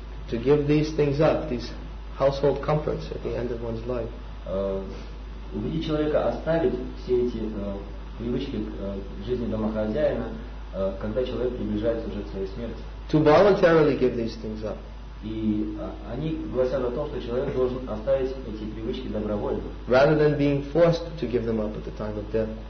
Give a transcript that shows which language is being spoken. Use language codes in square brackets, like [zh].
[en] to give these things up, these household comforts at the end of one's life. [ru] Убедить человека оставить все эти привычки к жизни домохозяина, когда человек приближается уже к своей смерти. [en] To voluntarily give these things up. [ru] И они гласят о том, что человек должен оставить эти привычки добровольно. [en] Rather than being forced to give them up at the time of death.